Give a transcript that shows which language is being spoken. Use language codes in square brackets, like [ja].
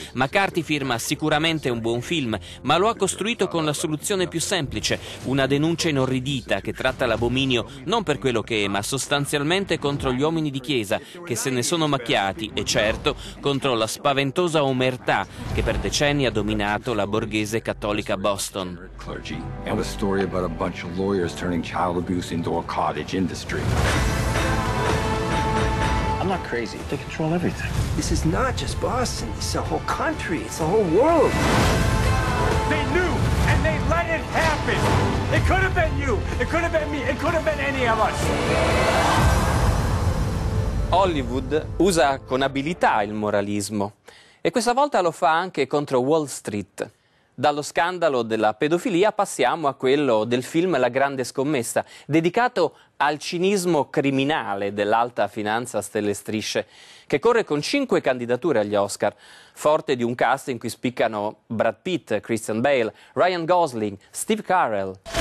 [it] McCarthy firma sicuramente un buon film, ma lo ha costruito con la soluzione più semplice, una denuncia inorridita che tratta l'abominio non per quello che è, ma sostanzialmente contro gli uomini di Chiesa che se ne sono macchiati e certo contro la spaventosa omertà che per decenni ha dominato la borghese cattolica Boston. [en] About a bunch of lawyers turning child abuse into a cottage industry. I'm not crazy. They control everything. This is not just Boston. It's a whole country. It's a whole world. They knew and they let it happen. It could have been you. It could have been me. It could have been any of us. [it] Hollywood usa con abilità il moralismo e questa volta lo fa anche contro Wall Street. Dallo scandalo della pedofilia passiamo a quello del film La Grande Scommessa, dedicato al cinismo criminale dell'alta finanza a stelle strisce, che corre con 5 candidature agli Oscar, forte di un cast in cui spiccano Brad Pitt, Christian Bale, Ryan Gosling, Steve Carell.